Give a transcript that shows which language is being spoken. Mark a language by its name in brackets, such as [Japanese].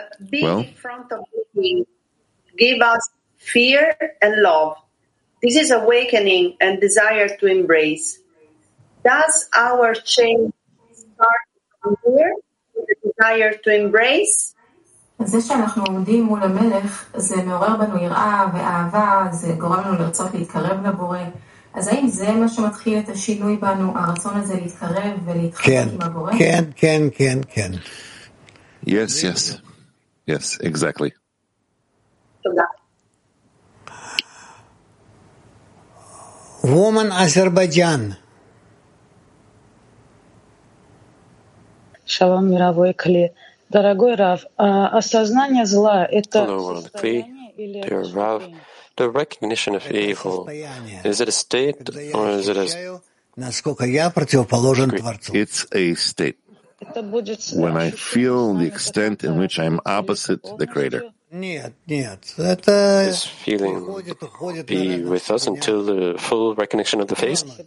[English] Being in front of living, give us fear and love. This is awakening and desire to embrace. Does our change start from here, with the desire to embrace? [Hebrew] זה שאנחנו עומדים מול המלך, זה מעורר בנו יראה ואהבה, זה גורם לנו לרצות להתקרב לבורא. אז האם זה מה שמתחיל את השינוי בנו, הרצון הזה להתקרב ולהתחבק עם הבורא? כן, כן, כן, כן. [English] Yes, yes. Yes, exactly. Woman Azerbaijan. [Russian] Shalom, мировой кли. Дорогой Рав, осознание зла это состояние или [English] the recognition of evil, is it a state or is it a... [Russian] насколько я противоположен творцу? [English] It's a state. When I feel the extent in which I'm opposite the Creator. This feeling be with us until the full recognition of the face?